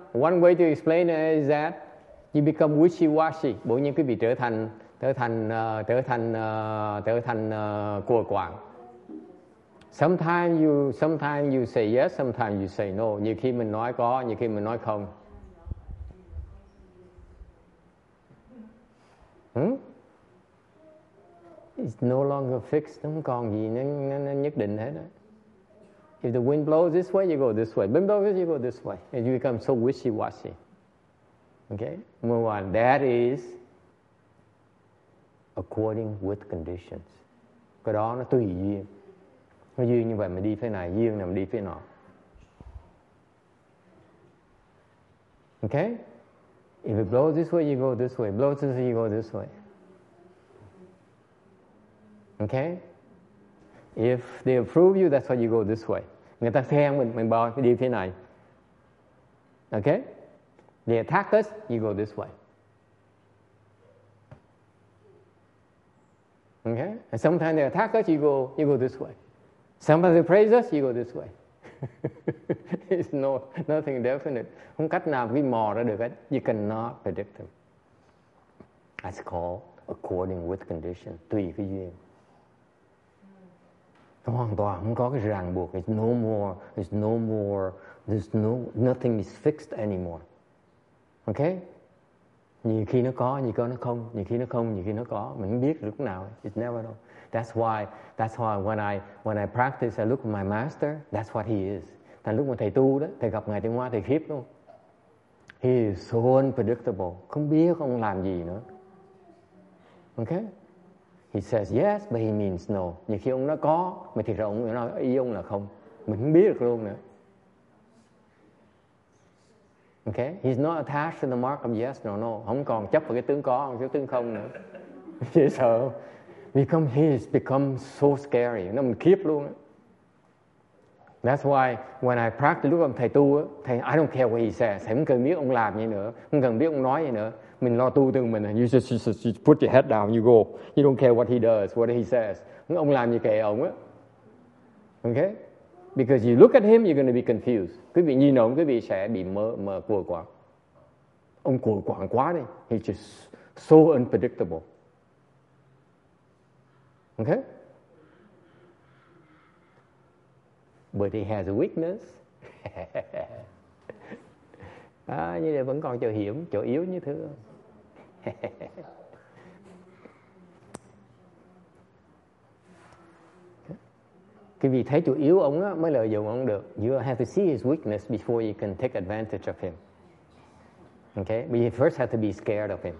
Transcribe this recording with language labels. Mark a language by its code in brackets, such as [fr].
[en] One way to explain it is that you become wishy-washy. [vi] Bộ như quý vị trở thành cuồng quạng. [en] Sometimes you say yes, sometimes you say no. [vi] Nhiều khi mình nói có, nhiều khi mình nói không. [en] It's no longer fixed. [vi] Không còn gì nhất định hết. [en] If the wind blows this way, you go this way. Wind blows, you go this way. And you become so wishy-washy. Okay? Move on. That is according with conditions. [vi] Cái đó nó tùy duyên. Nó duyên như vậy mà đi phía này, duyên này mà đi phía nọ. [en] Okay? If it blows this way, you go this way. Blows this way, you go this way. Okay? If they approve you, that's why you go this way. [vi] Người ta khen mình bò đi phía này. [en] Okay? They attack us, you go this way. Okay? And sometimes they attack us, you go this way. Somebody praise us, you go this way. It's nothing definite. [vi] Không cách nào ghi mò ra được hết. [en] You cannot predict them. That's called according with condition. [vi] Tùy cái duyên. Hoàn toàn không có cái ràng buộc. [en] It's no more. Nothing is fixed anymore. [vi] Okay? Nhiều khi nó có, nhiều khi nó không. Nhiều khi nó không, nhiều khi nó có. Mình không biết lúc nào. [en] It's never know. That's why when I practice, I look at my master. That's what he is. [vi] Tại lúc mà thầy tu đó, thầy gặp ngài Trung Hoa, thầy khiếp luôn. [en] He is so unpredictable. [vi] Không biết ông làm gì nữa. Okay? [en] He says yes, but he means no. [vi] Nhiều khi ông nói có, mà thiệt ra ông nói ý ông là không. Mình không biết được luôn nữa. [en] Okay? He's not attached to the mark of yes or no. [vi] Không còn chấp vào cái tướng có, không chấp tướng không nữa. Dễ sợ. [en] He's become so scary. [vi] Nó mình khiếp luôn. [en] That's why when I practice, [vi] lúc ông thầy tu, thầy, [en] I don't care what he says. [vi] Thầy không cần biết ông làm gì nữa. Không cần biết ông nói gì nữa. Mình lo tu từ mình. [en] You just put your head down, you go. You don't care what he does, what he says. [vi] Ông làm gì kệ ông á. [en] Okay? Because you look at him, you're going to be confused. [vi] Quý vị nhìn ông, quý vị sẽ bị mơ cuồng quạng. Ông cuồng quạng quá đi. [en] He's just so unpredictable. Okay? But he has a weakness. [vi] À, như vậy vẫn còn chỗ hiểm, chỗ yếu như thế. Cái vì thấy chỗ yếu ông á, mới lợi dụng ông được. [en] You have to see his weakness before you can take advantage of him. Okay? But you first have to be scared of him.